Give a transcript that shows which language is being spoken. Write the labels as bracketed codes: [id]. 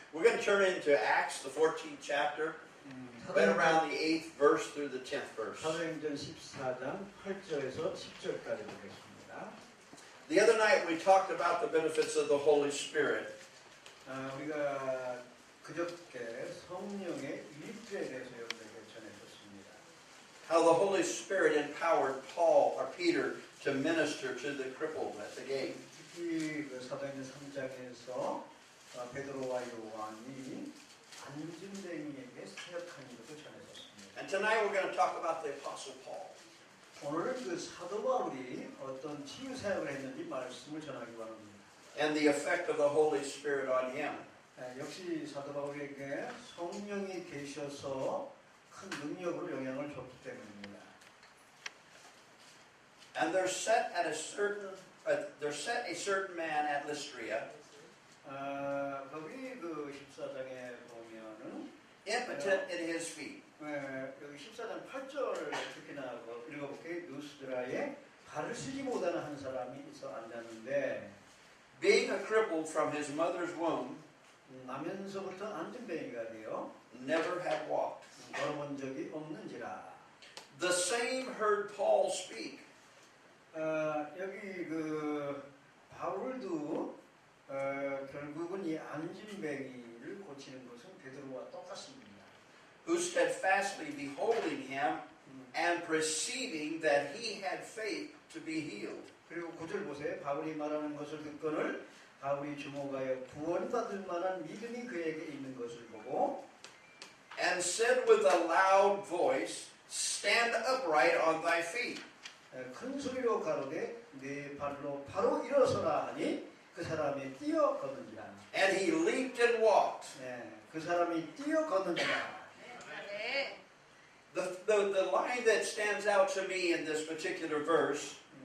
[en] We're going to turn into Acts, the 14th chapter. Right around the 8th verse through the 10th verse. [ko] 사도행전 14장 8절에서 10절까지 보겠습니다. [en] The other night we talked about the benefits of the Holy Spirit. [ko] 우리가 그저께 성령의 일꾼에 대해서 여러분에게 전해드렸습니다. [en] How the Holy Spirit empowered Paul or Peter to minister to the crippled at the gate. [ko] 특히 사도행전 3장에서 베드로와 요한이 안진뱅이에게 사역한 것을 전해드렸습니다. [en] And tonight we're going to talk about the Apostle Paul. [ko] 오늘은 그 사도 바울이 어떤 치유 사역을 했는지 말씀을 전하기 바랍니다. [en] And the effect of the Holy Spirit on him. [ko] 역시 사도 바울에게 성령이 계셔서 큰 능력으로 영향을 줬기 때문입니다. [en] And they're set at a certain they're set a certain man at Lystra. [ko] 거기 그 14장에 보면은 [en] impotent in his feet. [ko] 여기 14장 8절 특히나 읽어볼게요. 루스드라에 발을 쓰지 못하는 한 사람이 있어 앉았는데 [en] being a cripple from his mother's womb [ko] 나면서부터 앉은뱅이가 되어 [en] never had walked [ko] 걸어본 적이 없는지라 [en] the same heard Paul speak [ko] 여기 그 바울도 결국은 이 앉은뱅이를 고치는 것은 베드로와 똑같습니다. [en] Who steadfastly beholding him and perceiving that he had faith to be healed. [ko] 그리고 구절 보세요. 바울이 말하는 것을 듣거늘 바울이 주목하여 구원받을 만한 믿음이 그에게 있는 것을 보고 [en] and said with a loud voice, stand upright on thy feet. [ko] 큰 소리로 가로되 네 발로 바로 일어서라 하니 그 사람이 뛰어 걷는지라. [en] And he leaped and walked. [ko] 네, 그 사람이 뛰어 걷는지라. [en] The line that stands out to me in this particular verse.